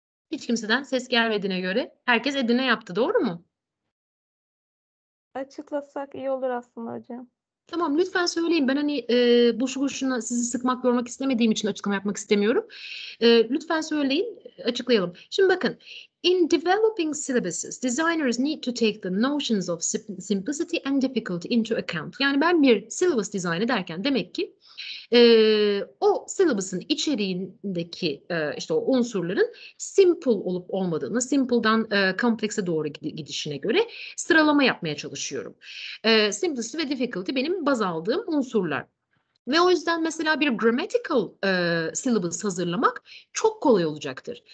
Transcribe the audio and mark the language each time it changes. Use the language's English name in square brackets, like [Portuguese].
[Turkish] Hiç kimseden ses gelmediğine göre herkes Edirne yaptı, doğru mu? Açıklasak iyi olur aslında hocam. Tamam, lütfen söyleyin. Ben hani boşu boşuna sizi sıkmak, yormak istemediğim için açıklama yapmak istemiyorum. Lütfen söyleyin, açıklayalım. Şimdi bakın, [English] in developing syllabuses, designers need to take the notions of simplicity and difficulty into account. [Turkish] Yani ben bir syllabus dizayn ederken demek ki o syllabus'ın içeriğindeki işte o unsurların simple olup olmadığını, simple'dan complex'e doğru gidişine göre sıralama yapmaya çalışıyorum. Simplicity ve difficulty benim baz aldığım unsurlar. Ve o yüzden mesela bir grammatical syllabus hazırlamak çok kolay olacaktır.